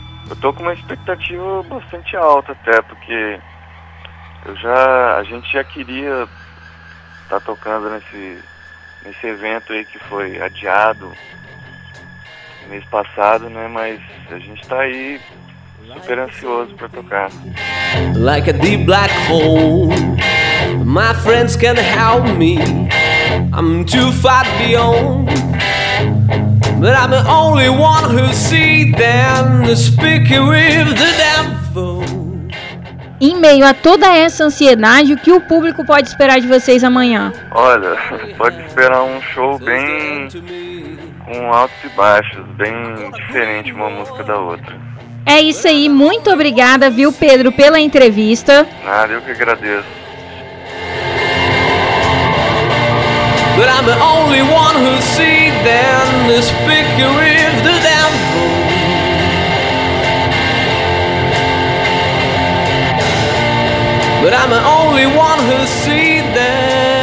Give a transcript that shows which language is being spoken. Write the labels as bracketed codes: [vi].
[pt] Eu tô com uma expectativa bastante alta até, porque a gente já queria estar tocando nesse evento aí que foi adiado mês passado, né? Mas a gente tá aí super ansioso pra tocar. [en] Like a deep black hole, my friends can help me. I'm too far beyond, but I'm the only one who see them speaking with the devil. [pt] Em meio a toda essa ansiedade, o que o público pode esperar de vocês amanhã? Olha, pode esperar um show bem... com altos e baixos, bem diferente uma música da outra. É isso aí, muito obrigada, viu, Pedro, pela entrevista. Nada, eu que agradeço. [en] But I'm the only one who see them this figure with the devil. But I'm the only one who see them.